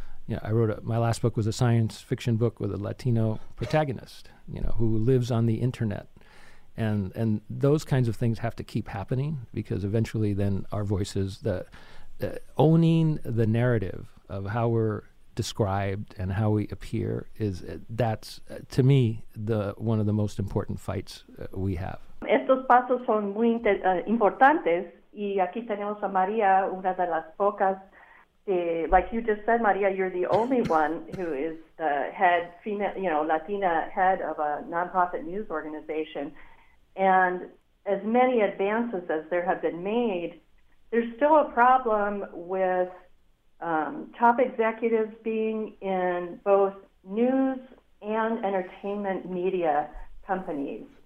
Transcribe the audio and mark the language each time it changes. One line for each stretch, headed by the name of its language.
English: You know, I wrote my last book was a science fiction book with a Latino protagonist, you know, who lives on the internet, and those kinds of things have to keep happening, because eventually then our voices, the owning the narrative of how we're described and how we appear, is that's to me the one of the most important fights we have.
Spanish: Estos pasos son muy importantes, y aquí tenemos a María, una de las pocas.
English: Like you just said, Maria, you're the only one who is the head, female, you know, Latina head of a nonprofit news organization. And as many advances as there have been made, there's still a problem with top executives being in both news and entertainment media companies.